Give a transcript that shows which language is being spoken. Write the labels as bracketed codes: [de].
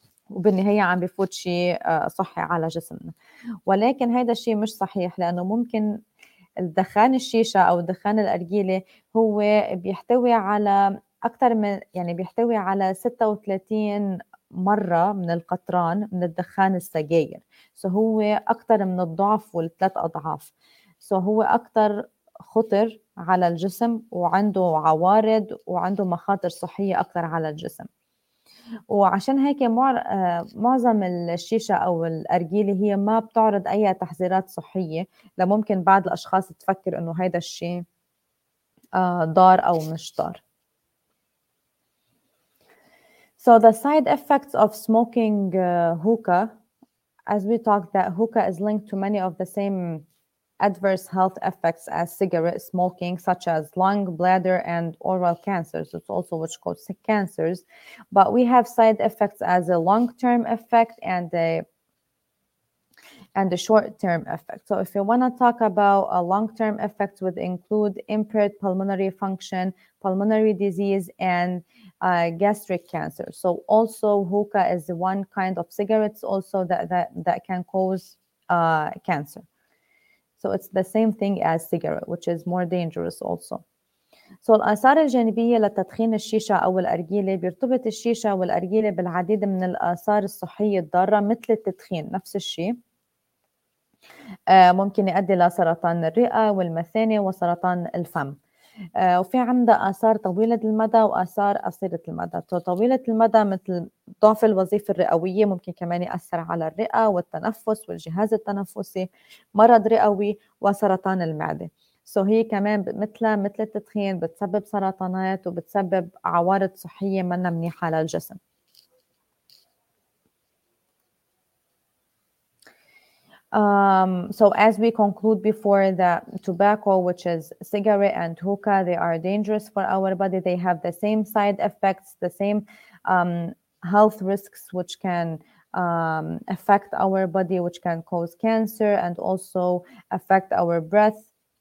[ar] وبالنهاية عم بيفوت شيء صحي على جسمنا، ولكن هذا الشيء مش صحيح، لأنه ممكن الدخان الشيشة أو الدخان الأرجيلة هو بيحتوي على أكثر من يعني بيحتوي على 36 مرة من القطران من الدخان السجائر، فهو أكثر من الضعف والثلاث أضعاف، فهو أكثر خطر على الجسم وعنده عوارض وعنده مخاطر صحية أكثر على الجسم. وعشان هيك معظم الشيشة أو الأرجيلة هي ما بتعرض أي تحذيرات صحية، لممكن بعض الأشخاص تفكر إنه هذا الشيء ضار أو مش ضار. [en] So the side effects of smoking hookah, as we talked, that hookah is linked to many of the same adverse health effects as cigarette smoking, such as lung, bladder, and oral cancers. It's also which causes cancers. But we have side effects as a long-term effect and a short-term effect. So if you want to talk about a long-term effect, would include impaired pulmonary function, pulmonary disease, and gastric cancer. So also hookah is one kind of cigarettes also that can cause cancer. So it's the same thing as cigarette, which is more dangerous also. [ar] So الآثار الجانبية لتدخين الشيشة أو الأرجيلة بيرتبط الشيشة والأرجيلة بالعديد من الآثار الصحية الضارة مثل التدخين نفس الشيء. ممكن يؤدي لسرطان الرئة والمثانة وسرطان الفم. وفي عنده آثار طويلة المدى وآثار قصيرة المدى. طويلة المدى مثل ضعف الوظيفة الرئوية ممكن كمان يأثر على الرئة والتنفس والجهاز التنفسي، مرض رئوي وسرطان المعدة. So هي كمان مثل التدخين بتسبب سرطانات وبتسبب عوارض صحية منا منيحة للجسم. [en] So as we conclude before, that tobacco, which is cigarette, and hookah, they are dangerous for our body. They have the same side effects, the same health risks, which can affect our body, which can cause cancer and also affect our breath.